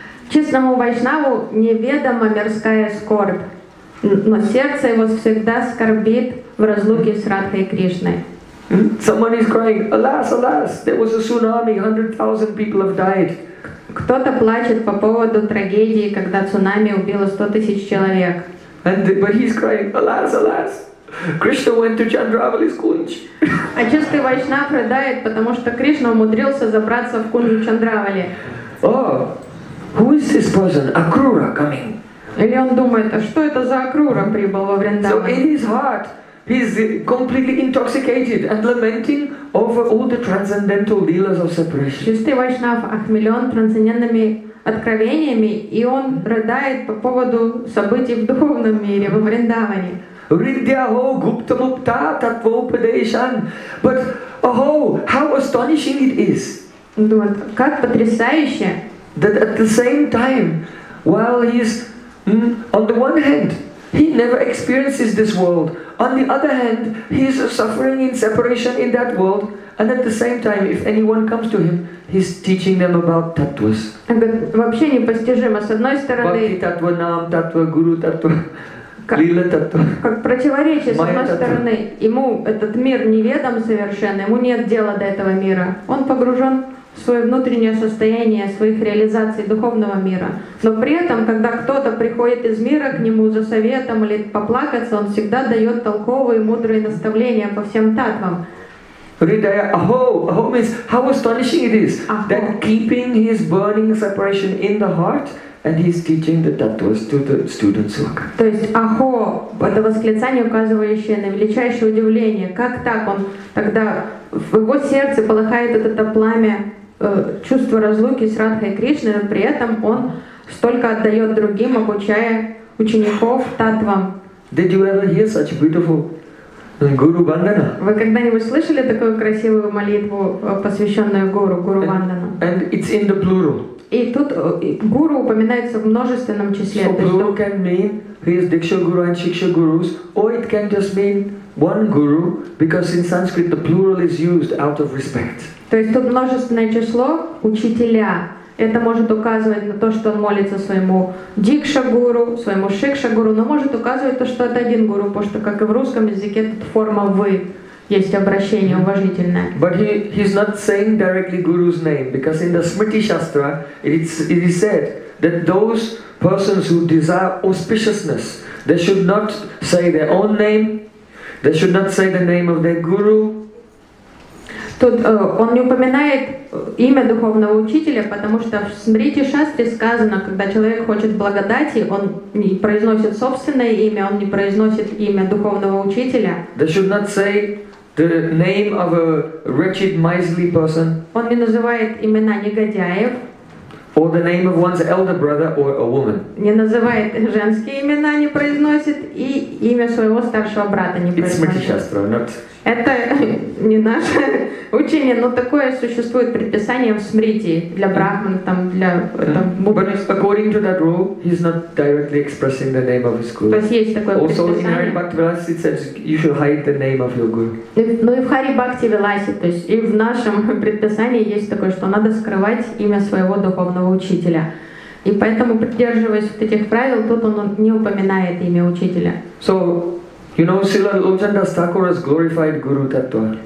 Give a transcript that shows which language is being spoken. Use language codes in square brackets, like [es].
[ru] Честному вайшнаву неведома мирская скорбь, но сердце его всегда скорбит в разлуке с Радхой Кришной. [en] Someone is crying, alas, alas, there was a tsunami, 100,000 people have died. [ru] Кто-то плачет по поводу трагедии, когда цунами убило 100,000 человек. [en] But he's crying, alas, alas, Krishna went to Chandravali's Kunj. [ru] А чистый вайшнав рыдает, потому что Кришна умудрился забраться в кунжу Чандравали. [en] Oh, who is this person? Акрура coming. [ru] Или он думает, а что это за Акрура прибыл во Вриндаван? [en] So in his heart, he's completely intoxicated and lamenting over all the transcendental lilas of separation. [ru] Чистый вайшнав охмелен трансцендентными откровениями, и он рыдает по поводу событий в духовном мире, во Вриндаване. [sa] Riddhyaho gupta mupta tatva upadeshan. [en] But, oh, how astonishing it is. [ru] Думает, как потрясающе. [en] That at the same time, while he is, on the one hand, he never experiences this world. On the other hand, he is suffering in separation in that world. And at the same time, if anyone comes to him, he's teaching them about tattvas. [ru] Вообще непостижимо. С одной стороны... [sa] Бхакти таттва нам, таттва гуру таттва. [ru] Как противоречие, с одной стороны, ему этот мир неведом совершенно, ему нет дела до этого мира. Он погружен в свое внутреннее состояние, своих реализаций духовного мира. Но при этом, когда кто-то приходит из мира к нему за советом или поплакаться, он всегда дает толковые, мудрые наставления по всем татвам. [en] Ridaya, aho, aho means how astonishing it is that keeping his burning separation in the heart. And he's teaching the tattvas to the students. [ru] То есть ахо, это восклицание, указывающее на величайшее удивление. Как так он тогда в его сердце полыхает это пламя чувства разлуки с Радхой Кришной, но при этом он столько отдает другим, обучая учеников татвам. [en] Did you ever hear such beautiful Guru Vandana? [ru] Вы когда-нибудь слышали такую красивую молитву, посвященную гуру, гуру Вандана? [en] And it's in the plural. [ru] И тут гуру упоминается в множественном числе. [en] So guru can mean his diksha guru and shiksha gurus, or it can just mean one guru, because in Sanskrit the plural is used out of respect. [ru] То есть тут множественное число учителя. Это может указывать на то, что он молится своему дикша гуру, своему шикша гуру, но может указывать то, что это один гуру, потому что как и в русском языке тут форма вы. Есть обращение уважительное. [en] But he's not saying directly Guru's name, because in the Smriti Shastra it is said that those persons who desire auspiciousness, they should not say their own name, they should not say the name of their guru. [ru] Тут он не упоминает имя духовного учителя, потому что в Смрити Шастре сказано, когда человек хочет благодати, он не произносит собственное имя, он не произносит имя духовного учителя. [en] They should not say the name of a wretched, miserly person. [ru] Он не называет имена негодяев. [en] Or the name of one's elder brother or a woman. [ru] Не называет женские имена, не произносит, и имя своего старшего брата не произносит. [en] It's Smriti Shastra, not... [ru] Это не наше учение, но такое существует предписание в Смрити для брахман, там для буддистов. [en] But according to that rule, he's not directly expressing the name of his guru. [ru] То есть есть такое [en] also [ru] предписание. [en] Also in Hari Bhakti Vilasi it says you should hide the name of your guru. [ru] Ну и в Hari Bhakti Vilasi, то есть и в нашем предписании есть такое, что надо скрывать имя своего духовного учителя. И поэтому, придерживаясь вот этих правил, тут он не упоминает имя учителя. [en] So, you know, Srila Lochandas Thakur has glorified Guru Tattva.